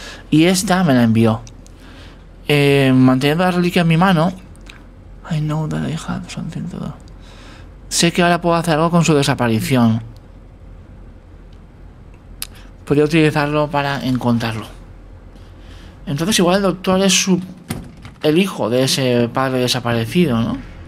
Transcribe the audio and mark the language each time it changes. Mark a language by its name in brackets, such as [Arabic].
[Spanish] Y esta me la envió. Manteniendo la reliquia en mi mano. [English] I know that I have something to do. [Spanish] Sé que ahora puedo hacer algo con su desaparición. Podría utilizarlo para encontrarlo. Entonces igual el doctor es el hijo de ese padre desaparecido, ¿no?